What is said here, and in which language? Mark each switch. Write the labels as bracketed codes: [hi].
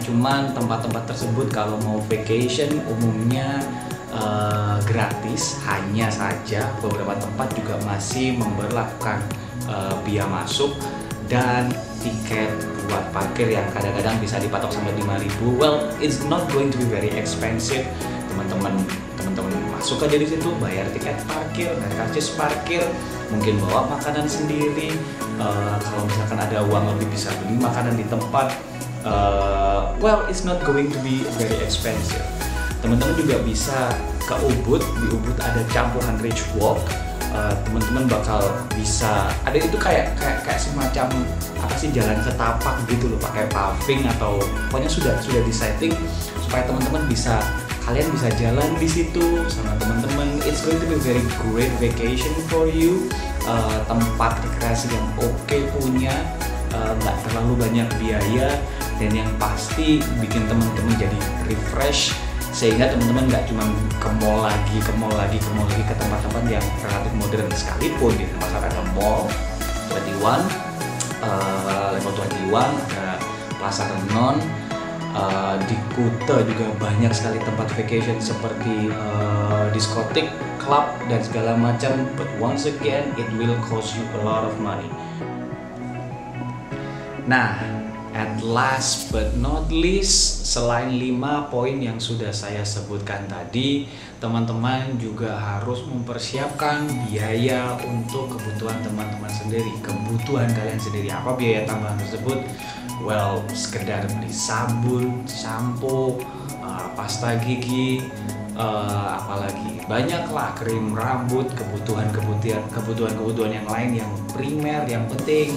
[id] Cuman tempat-tempat tersebut kalau mau vacation umumnya gratis, hanya saja beberapa tempat juga masih memberlakukan biaya masuk dan tiket buat parkir yang kadang-kadang bisa dipatok sampai 5.000. [en] Well, it's not going to be very expensive. [id] Teman-teman masuk aja di situ, bayar tiket parkir, bayar karcis parkir, mungkin bawa makanan sendiri. Kalau misalkan ada uang lebih bisa beli makanan di tempat. [en] Well, it's not going to be very expensive. [id] Teman-teman juga bisa ke Ubud. Di Ubud ada campuran Rich Walk. Teman-teman bakal bisa, ada itu kayak semacam apa sih, jalan setapak gitu loh, pakai paving atau pokoknya sudah disetting supaya teman-teman bisa, kalian bisa jalan di situ sama teman-teman. [en] It's going to be very great vacation for you. [id] Tempat rekreasi yang oke punya, nggak terlalu banyak biaya, dan yang pasti bikin teman-teman jadi refresh. Sehingga teman-teman nggak cuma ke mall lagi, ke tempat-tempat yang relatif modern sekalipun. Di tempat saya ada Mall 21, Level 21, ada Plaza Renon. Di Kuta juga banyak sekali tempat vacation seperti diskotik, club, dan segala macam. [en] But once again, it will cost you a lot of money. [id] Nah, [en] at last but not least, [id] selain 5 poin yang sudah saya sebutkan tadi, teman-teman juga harus mempersiapkan biaya untuk kebutuhan teman-teman sendiri. Kebutuhan kalian sendiri, apa biaya tambahan tersebut? Well, sekedar beli sabun, sampo, pasta gigi, apalagi banyaklah krim rambut, kebutuhan-kebutuhan yang lain yang primer, yang penting.